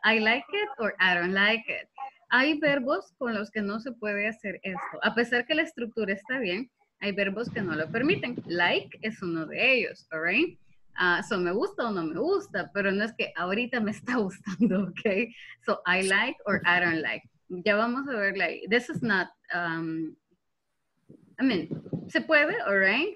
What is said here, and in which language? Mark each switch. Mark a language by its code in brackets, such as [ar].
[en] I like it or I don't like it. [es] Hay verbos con los que no se puede hacer esto. A pesar que la estructura está bien, hay verbos que no lo permiten. Like es uno de ellos, [en] all right? [es] So me gusta o no me gusta, pero no es que ahorita me está gustando, okay? [en] So I like or I don't like. [es] Ya vamos a ver, [en] like, this is not, I mean, [es] se puede, [en] all right?